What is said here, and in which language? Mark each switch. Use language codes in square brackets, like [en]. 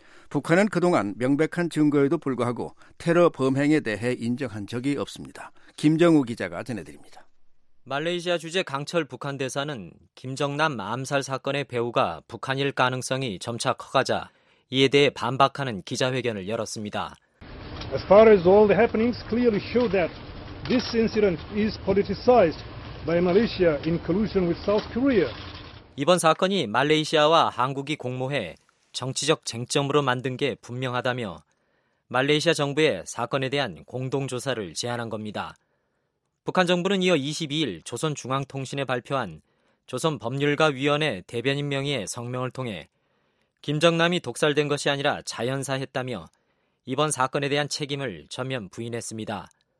[ko] 북한은 그동안 명백한 증거에도 불구하고 테러 범행에 대해 인정한 적이 없습니다. 김정우 기자가 전해드립니다. 말레이시아 주재 강철 북한 대사는 김정남 암살 사건의 배후가 북한일 가능성이 점차 커가자 이에 대해 반박하는 기자회견을 열었습니다. [en] As far as all the happenings clearly show that this incident is politicized by Malaysia in collusion with South Korea. [ko] 이번 사건이 말레이시아와 한국이 공모해 정치적 쟁점으로 만든 게 분명하다며 말레이시아 정부에 사건에 대한 공동 조사를 제안한 겁니다. 북한 정부는 이어 22일 조선중앙통신에 발표한 조선법률가위원회 대변인 명의의 성명을 통해 김정남이 독살된 것이 아니라 자연사했다며 이번 사건에 대한 책임을 전면 부인했습니다.